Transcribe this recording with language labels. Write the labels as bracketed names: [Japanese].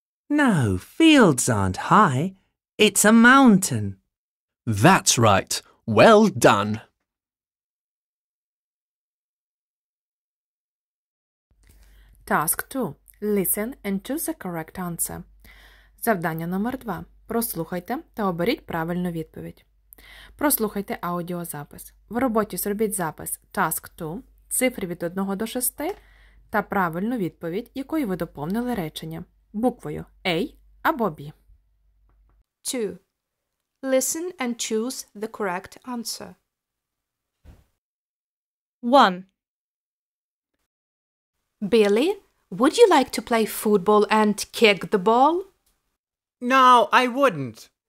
[English] No, fields aren't high. It's a mountain. That's right. Well done. Task 2. Listen and choose the correct answer. [Ukrainian] Завдання номер 2. Прослухайте та оберіть правильну відповідь. Прослухайте аудіозапис. В роботі зробіть запис Task 2, цифри від 1 до 6 та правильну відповідь, якою ви доповнили речення. Буквою A або B. [English] 2. Listen and choose the correct answer. 1. Billy, would you like to play football and kick the ball? No, I wouldn't.